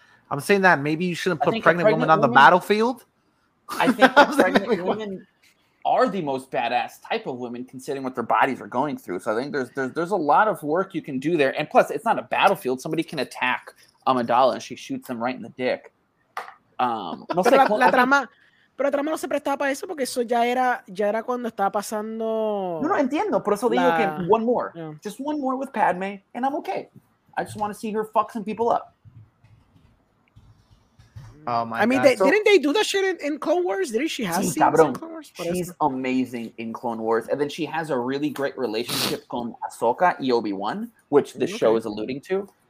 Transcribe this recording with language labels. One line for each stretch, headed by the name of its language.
English: I'm saying that maybe you shouldn't put pregnant women on the battlefield. I think pregnant women are the most badass type of women, considering what their bodies are going through. So I think there's a lot of work you can do there. And plus, it's not a battlefield. Somebody can attack Amidala and she shoots them right in the dick.
Spanish: Pero la trama no se prestaba para eso porque eso ya era cuando estaba pasando. No, entiendo. Por eso digo que
English: one more. Yeah. Just one more with Padme and I'm okay. I just want to see her fuck some people up. Oh my God. Didn't they do that shit in Clone Wars? Didn't she have scenes in Clone Wars? She's amazing in Clone Wars. And then she has a really great relationship con Ahsoka y Obi-Wan, which the show is alluding to.